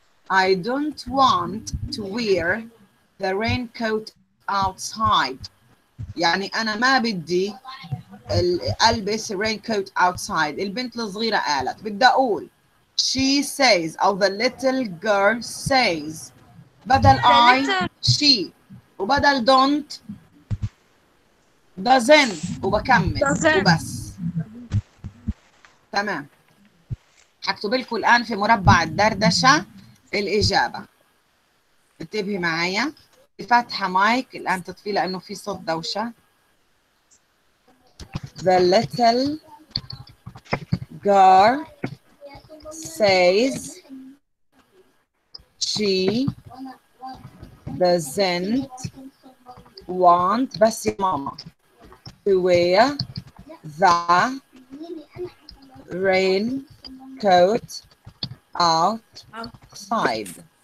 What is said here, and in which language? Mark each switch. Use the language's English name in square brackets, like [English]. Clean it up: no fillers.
[English] I don't want to wear the raincoat outside. [Arabic] يعني أنا ما بدي ألبس [English] raincoat outside. [Arabic] البنت الصغيرة قالت. بدي أقول [English] She says, or the little girl says, [Arabic] بدل I, she, وبدل [English] don't, doesn't, [Arabic] وبكمل, doesn't. وبس. تمام. حكتب لكم الآن في مربع الدردشة الإجابة. انتبهي معايا. فاتحة مايك الآن تطفي لأنه في صوت دوشة. [English] The little girl says she doesn't want [Arabic] بس يا ماما [English] to wear the rain coat outside.